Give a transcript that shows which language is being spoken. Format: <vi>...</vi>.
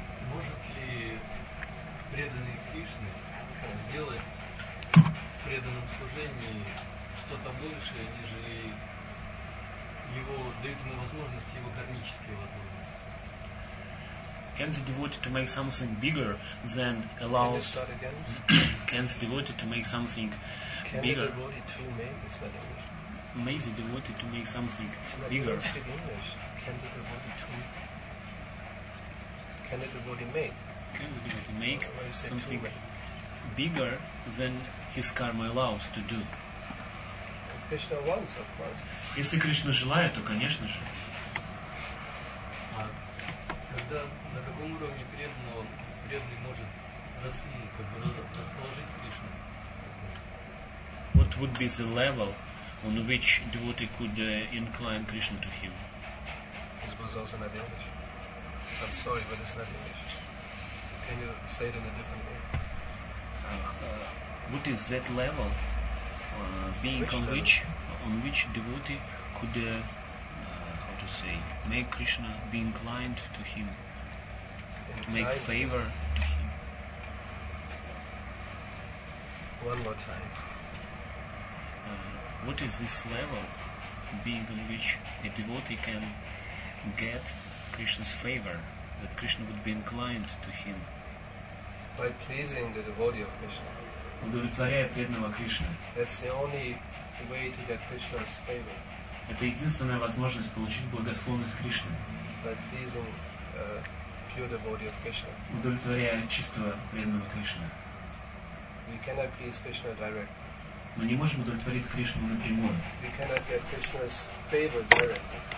<ru>Может ли преданный Кришны сделать в преданном служении что-то большее, нежели его, дают ему возможности, его кармические возможности?</ru> <en>Can the devotee to make something bigger than allows... Can you start again? Can the devotee to make something Can bigger... Can the devotee to make... It's not English. May the devotee to make something bigger... It's not bigger. English. Can the devotee to... Can the devotee make... Make something bigger than his karma allows to do. Krishna wants, of course.</en> <ru>Если Кришна желает, то, конечно же. Когда на каком уровне преданного преданный может расположить Кришну?</ru> <en>What would be the level on which devotee could incline Krishna to him? This was also not English. I'm sorry, but it's not English. Can you say it in a different way? What is that level being which on level? Which on which devotee could how to say make Krishna be inclined to him, inclined to make favor to him? One more time. What is this level being on which a devotee can get Krishna's favor, that Krishna would be inclined to him? By pleasing the devotee of Krishna.</en> <ru>Удовлетворяя преданного Кришны.</ru> <en>That's the only way to get Krishna's favor.</en> <ru>Это единственная возможность получить благосклонность Кришны.</ru> <en>By pleasing pure devotee of Krishna.</en> <ru>Удовлетворяя чистого преданного Кришны.</ru> <en>We cannot please Krishna directly.</en> <ru>Мы не можем удовлетворить Кришну напрямую.</ru> <en>We cannot get Krishna's favor directly.</en>